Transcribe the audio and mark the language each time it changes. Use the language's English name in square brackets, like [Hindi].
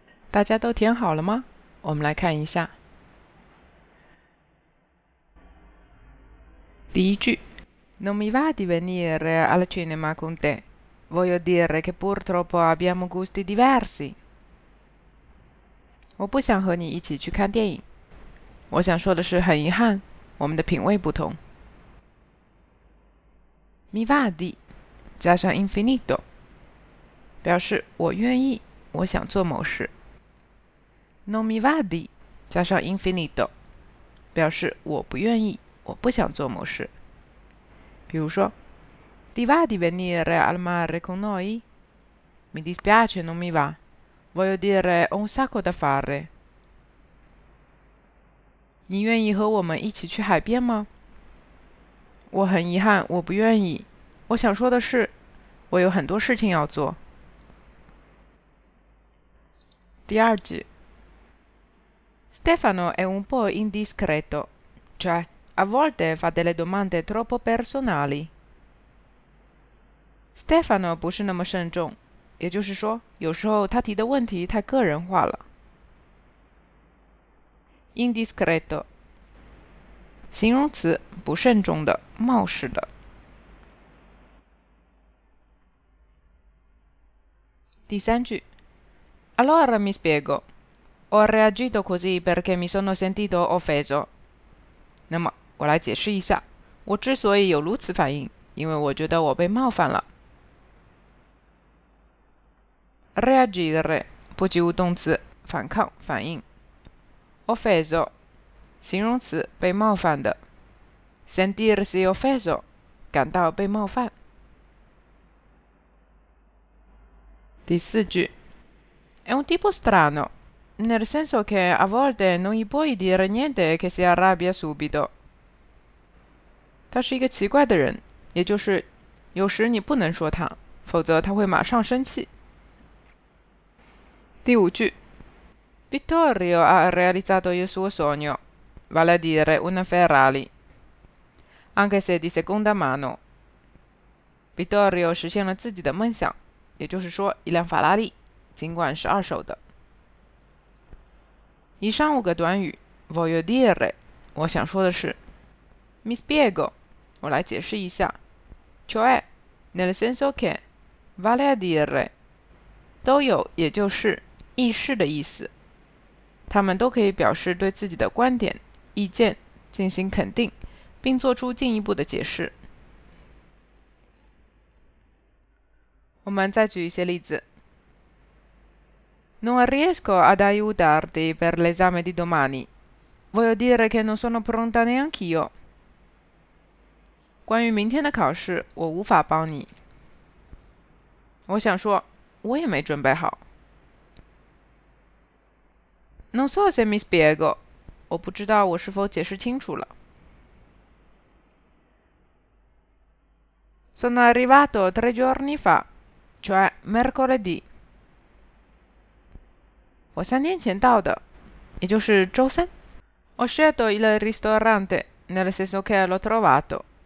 [Chinese] 大家都填好了吗？我们来看一下。第一句 [Italian] Non mi va di venire al cinema con te. Voglio dire che purtroppo abbiamo gusti diversi. [Chinese] 我不想和你一起去看电影。我想说的是很遗憾，我们的品味不同。 [Italian] Mi va di [Chinese] 加上 infinito 表示我愿意，我想做某事。 [Italian] Non mi va di [Chinese] 加上 infinito 表示我不愿意，我不想做某事。比如说 [Italian] Ti va di venire al mare con noi? Mi dispiace, non mi va. Voglio dire, ho un sacco da fare. [Chinese] 你愿意和我们一起去海边吗？我很遗憾，我不愿意。我想说的是，我有很多事情要做。第二句 [Italian] Stefano è un po' indiscreto, cioè a volte fa delle domande troppo personali. [Chinese] Stefano 不是那么慎重，也就是说，有时候他提的问题太个人化了。 Indiscreto， 形容词，不慎重的，冒失的。第三句 [Italian] ，Allora mi spiego。 Ho reagito così perché mi sono sentito offeso. [Chinese] 那么，我来解释一下，我之所以有如此反应，因为我觉得我被冒犯了。 Reagire， 不及物动词，反抗、反应。 Offeso， 形容词，被冒犯的。 [Italian] Sentirsi offeso， [Chinese] 感到被冒犯。第四句 [Italian] ，È un tipo strano。 Nel senso che a volte non gli puoi dire niente che si arrabbia subito. [Chinese] 他是一个奇怪的人，也就是有时你不能说他，否则他会马上生气。第五句 [Italian] ，Vittorio ha realizzato il suo sogno, vale a dire una Ferrari, anche se di seconda mano. [Chinese] Vittorio 实现了自己的梦想，也就是说一辆法拉利，尽管是二手的。以上五个短语 [Italian] voglio dire [Chinese] 我想说的是 [Italian] mi spiego [Chinese] 我来解释一下 [Italian] cioè nel senso che vale a dire [Chinese] 都有也就是意识的意思它们都可以表示对自己的观点意见进行肯定并做出进一步的解释我们再举一些例子 [Italian] Non riesco ad aiutarti per l'esame di domani. Voglio dire che non sono pronta neanch'io. [Chinese] 关于明天的考试，我无法帮你。我想说，我也没准备好。 [Italian] Non so se mi spiego. [Chinese] 我不知道我是否解释清楚了。 [Italian] Sono arrivato 3 giorni fa, cioè mercoledì. [Chinese] 我3天前到的，也就是周三。 [Italian] Ho scelto il ristorante, nel senso che l'ho trovato.